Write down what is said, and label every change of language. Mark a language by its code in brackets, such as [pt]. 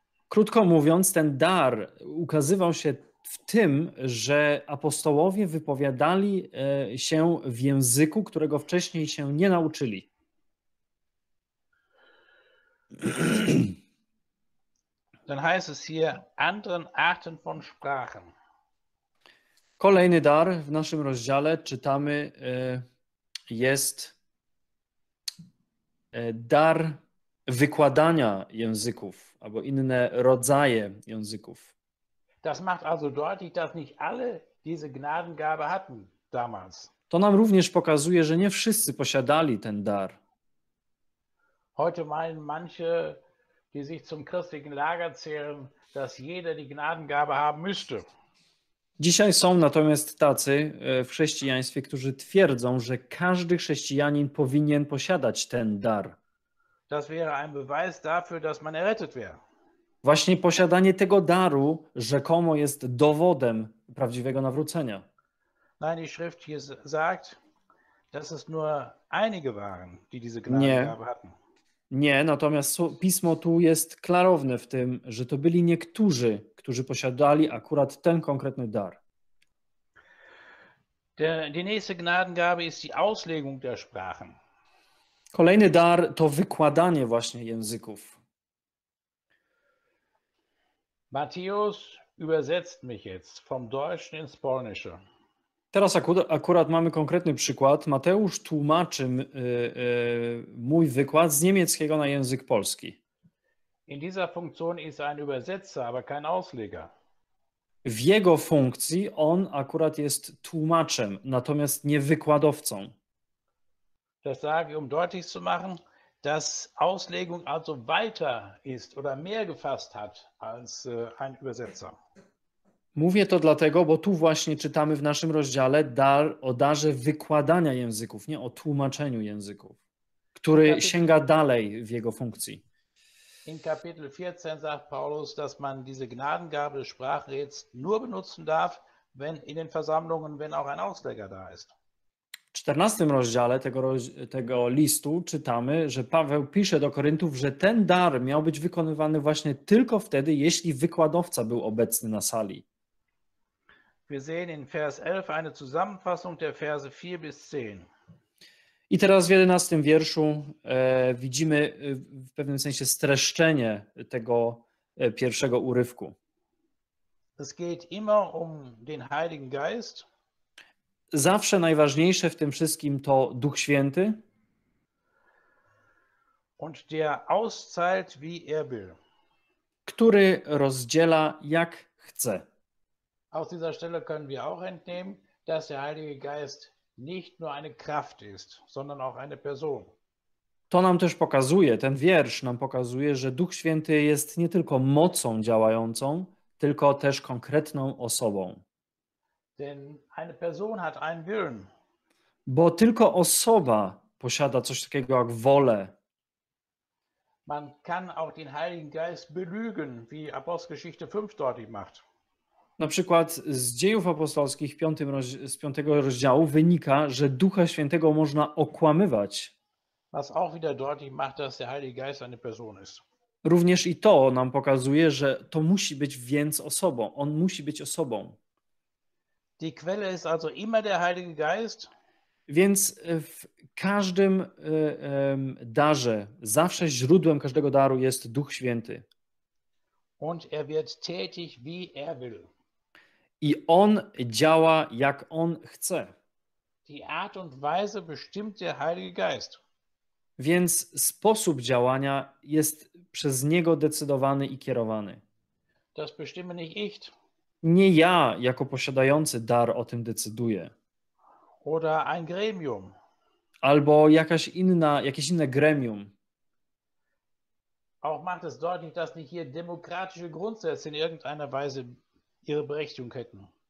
[pl] Krótko mówiąc, ten dar ukazywał się w tym, że apostołowie wypowiadali się w języku, którego wcześniej się nie nauczyli. [de] Dann heißt es hier anderen Arten von Sprachen. [pl] Kolejny dar w naszym rozdziale czytamy jest dar wykładania języków albo inne rodzaje języków. [de] Das macht also deutlich, dass nicht alle diese Gnadengabe hatten damals. [pl] To nam również pokazuje, że nie wszyscy posiadali ten dar. [de] Heute meinen manche, die sich zum christlichen Lager zählen, dass jeder die Gnadengabe haben müsste. [pl] Dzisiaj są natomiast tacy w chrześcijaństwie, którzy twierdzą, że każdy chrześcijanin powinien posiadać ten dar. [de] Das wäre ein Beweis dafür, dass man errettet wäre. [pl] Właśnie posiadanie tego daru rzekomo jest dowodem prawdziwego nawrócenia. [de] Nein, die Schrift hier sagt, dass es nur einige waren, die diese [pl] Nie. [de] Gnadengabe hatten. [pl] Nie, natomiast pismo tu jest klarowne w tym, że to byli niektórzy, którzy posiadali akurat ten konkretny dar. [de] Die nächste Gnadengabe ist die Auslegung der Sprachen. [pl] Kolejny dar to wykładanie właśnie języków. [de] Matthäus übersetzt mich jetzt vom Deutschen ins Polnische. [pl] Teraz akurat mamy konkretny przykład. Mateusz tłumaczy mój wykład z niemieckiego na język polski. [de] In dieser Funktion ist ein Übersetzer, aber kein Ausleger. [pl] W jego funkcji on akurat jest tłumaczem, natomiast nie wykładowcą. [de] Das sage ich, um deutlich zu machen, dass Auslegung also weiter ist oder mehr gefasst hat als ein Übersetzer. [pl] Mówię to dlatego, bo tu właśnie czytamy w naszym rozdziale o darze wykładania języków, nie o tłumaczeniu języków, który sięga dalej w jego funkcji. [de] In Kapitel 14 sagt Paulus, dass man diese Gnadengabe des Sprachenreds nur benutzen darf, wenn in den Versammlungen, wenn auch ein Ausleger da ist. [pl] W 14 rozdziale tego listu czytamy, że Paweł pisze do Koryntów, że ten dar miał być wykonywany właśnie tylko wtedy, jeśli wykładowca był obecny na sali. [de] Wir sehen in Vers 11 eine Zusammenfassung der Verse 4 bis 10. [pl] I teraz w 11 wierszu widzimy w pewnym sensie streszczenie tego pierwszego urywku. [de] Es geht immer um den Heiligen Geist. [pl] Zawsze najważniejsze w tym wszystkim to Duch Święty. [de] Und der auszahlt, wie er will. [pl] Który rozdziela jak chce. [de] Aus dieser Stelle können wir auch entnehmen, dass der Heilige Geist nicht nur eine Kraft ist, sondern auch eine Person. [pl] To nam też pokazuje, ten wiersz nam pokazuje, że Duch Święty jest nie tylko mocą działającą, tylko też konkretną osobą. [de] Denn eine Person hat einen Willen. [pl] Bo tylko osoba posiada coś takiego jak wolę. [de] Man kann auch den Heiligen Geist belügen, wie Apostelgeschichte 5 deutlich macht. [pl] Na przykład z Dziejów Apostolskich z 5 rozdziału wynika, że Ducha Świętego można okłamywać. [de] Was auch wieder deutlich macht, dass der Heilige Geist eine Person ist. [pl] Również i to nam pokazuje, że to musi być więc osobą. On musi być osobą. [de] Die Quelle ist also immer der Heilige Geist. [pl] Więc w każdym darze, zawsze źródłem każdego daru jest Duch Święty. [de] Und er wird tätig, wie er will. [pl] I on działa, jak on chce. [de] Die Art und Weise bestimmt der Heilige Geist. [pl] Więc sposób działania jest przez niego decydowany i kierowany. [de] Das bestimme nicht ich. [pl] Nie ja, jako posiadający dar, o tym decyduję. [de] Oder ein Gremium. [pl] Albo jakieś inne gremium. [de] Auch macht es deutlich, dass nicht hier demokratische Grundsätze in irgendeiner Weise ihre Berechtigung hätten.